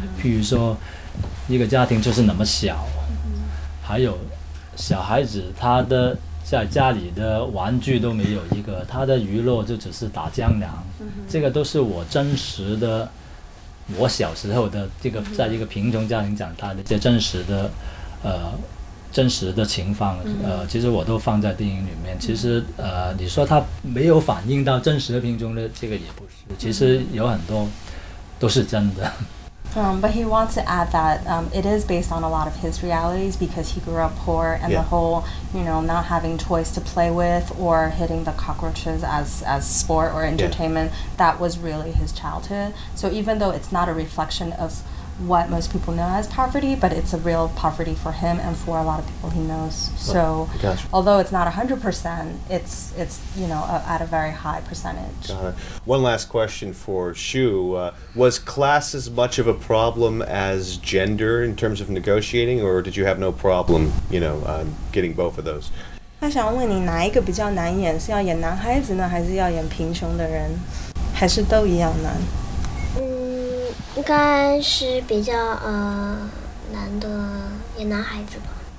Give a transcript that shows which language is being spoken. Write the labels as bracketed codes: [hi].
[zh] 譬如说，一个家庭就是那么小，还有小孩子他的在家里的玩具都没有一个，他的娱乐就只是打浆粮，这个都是我真实的，我小时候的这个在一个贫穷家庭长大的这真实的真实的情况，其实我都放在电影里面。其实你说他没有反映到真实的贫穷的，这个也不是，其实有很多都是真的。 [en] But he wants to add that it is based on a lot of his realities, because he grew up poor, and the whole, you know, not having toys to play with or hitting the cockroaches as sport or entertainment, that was really his childhood. So even though it's not a reflection of what most people know as poverty, but it's a real poverty for him and for a lot of people he knows. So although it's not 100%, it's you know, at a very high percentage. One last question for Xu. Was class as much of a problem as gender in terms of negotiating, or did you have no problem, you know, getting both of those? [zh] 他想问你哪一个比较难演，是要演男孩子呢，还是要演贫穷的人，还是都一样难？应该是比较难的演男孩子吧。